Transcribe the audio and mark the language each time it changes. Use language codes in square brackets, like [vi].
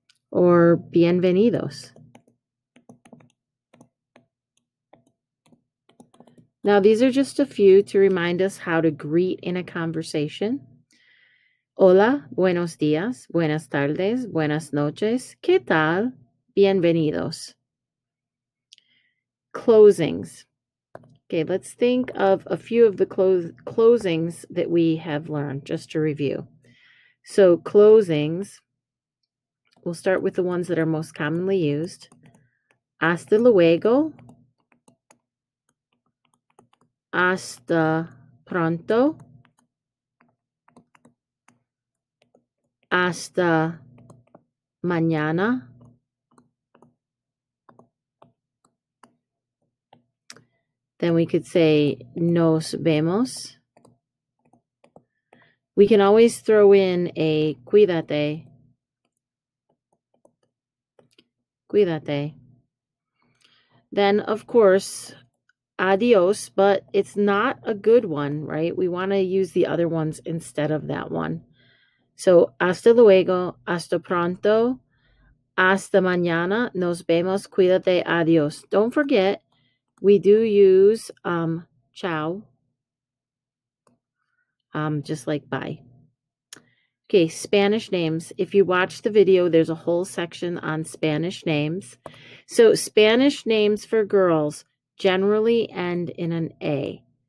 [en] Or bienvenidos. Now, these are just a few to remind us how to greet in a conversation. [es] Hola, buenos días, buenas tardes, buenas noches, ¿qué tal? Bienvenidos. Closings. [en] Okay, let's think of a few of the closings that we have learned, just to review. So closings, we'll start with the ones that are most commonly used. [es] Hasta luego. Hasta pronto. Hasta mañana. [en] Then we could say [es] nos vemos. [en] We can always throw in a cuídate. [es] Cuídate. [en] Then, of course, adios, but it's not a good one, right? We want to use the other ones instead of that one. [es] So, hasta luego, hasta pronto, hasta mañana, nos vemos, cuídate, adiós. [en] Don't forget, we do use chao, just like bye. Okay, Spanish names. If you watch the video, there's a whole section on Spanish names. So, Spanish names for girls generally end in an A.